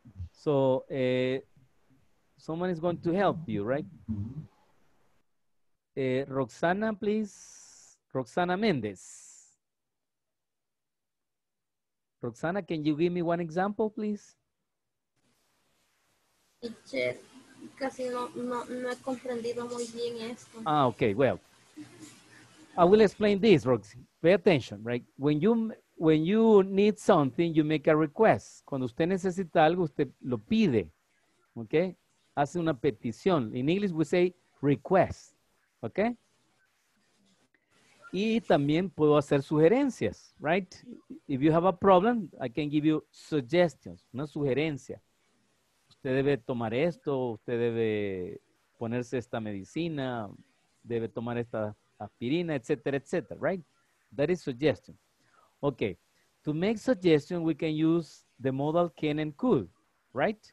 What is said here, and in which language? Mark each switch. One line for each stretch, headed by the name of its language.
English: So someone is going to help you, right? Roxana, please. Roxana Mendez. Roxana, can you give me one example, please?
Spanish: Teacher, casi no he comprendido muy bien esto.
English: Ah, okay. Well, I will explain this, Roxy. Pay attention, right? When you need something, you make a request.
Spanish: Cuando usted necesita algo, usted lo pide. Okay? Hace una petición.
English: In English, we say request. Okay?
Spanish: Y también puedo hacer sugerencias,
English: right? If you have a problem, I can give you suggestions,
Spanish: una sugerencia. Usted debe tomar esto, usted debe ponerse esta medicina, debe tomar esta aspirina, etcétera, etcétera, right?
English: That is suggestion. Okay. To make suggestion, we can use the modal can and could, right?